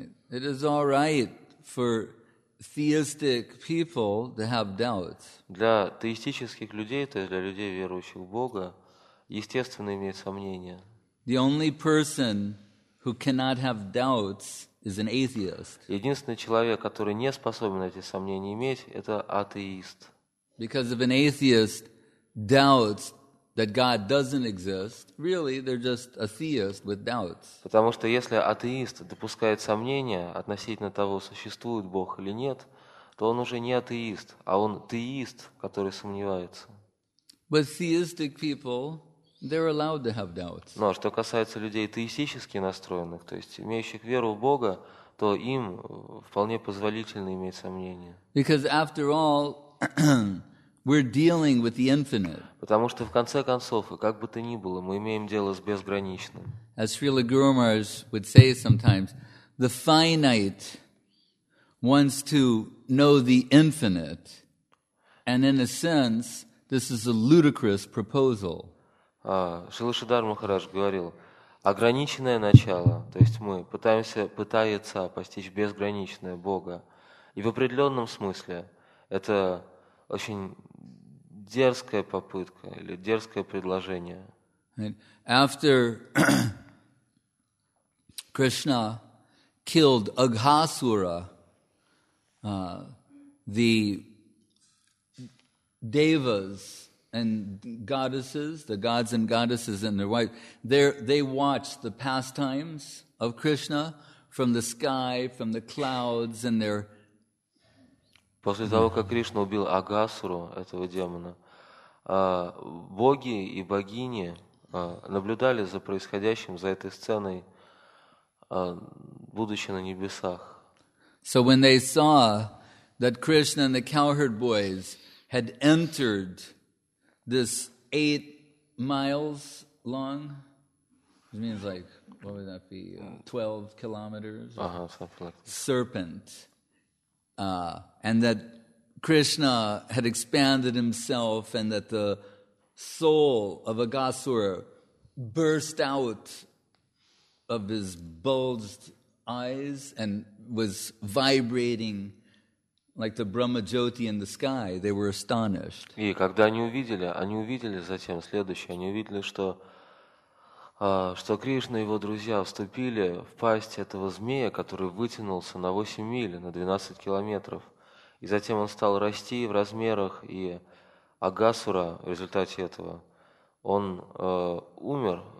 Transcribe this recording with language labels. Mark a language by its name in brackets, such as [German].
[English] It is all right for theistic people to have doubts. [Russian] Для теистических людей, то есть для людей, верующих в Бога, естественно иметь сомнения. [English] The only person who cannot have doubts is an atheist. [Russian] Единственный человек, который не способен эти сомнения иметь, это атеист. [English] Because if an atheist doubts that God doesn't exist, really they're just a theist with doubts. [Russian] Потому что если атеист допускает сомнения относительно того, существует Бог или нет, то он уже не атеист, а он теист, который сомневается. [English] But theistic people, they're allowed to have doubts. [Russian] Но что касается людей теистически настроенных, то есть имеющих веру в Бога, то им вполне позволительно иметь сомнения. [English] Because after all, we're dealing with the infinite. [Russian] Потому что в конце концов, как бы то ни было, мы имеем дело с безграничным. [English] As Srila Guru Maharaj would say sometimes, the finite wants to know the infinite, and in a sense, this is a ludicrous proposal. [Russian] Шрила Шридхар Махарадж говорил, ограниченное начало, то есть мы пытается постичь безграничное Бога. И в определенном смысле это очень дерзкая попытка или дерзкое предложение. [English] After Krishna killed Aghasura, the devas and goddesses, the gods and goddesses and their wives, they watched the pastimes of Krishna from the sky, from the clouds, and their... [Russian] После того, как Кришна убил Агасуру, этого демона, боги и богини наблюдали за происходящим, за этой сценой, будучи на небесах. [English] So when they saw that Krishna and the cowherd boys had entered this 8 miles long, which means like, what would that be, 12 kilometers, serpent, and that Krishna had expanded himself and that the soul of Agasura burst out of his bulged eyes and was vibrating like the Brahma Jyoti in the sky, they were astonished. [Russian] И когда они увидели затем следующее, они увидели, что, что Кришна и его друзья вступили в пасть этого змея, который вытянулся на 8 миль, на 12 километров. И затем он стал расти в размерах, и Агасура в результате этого, он умер.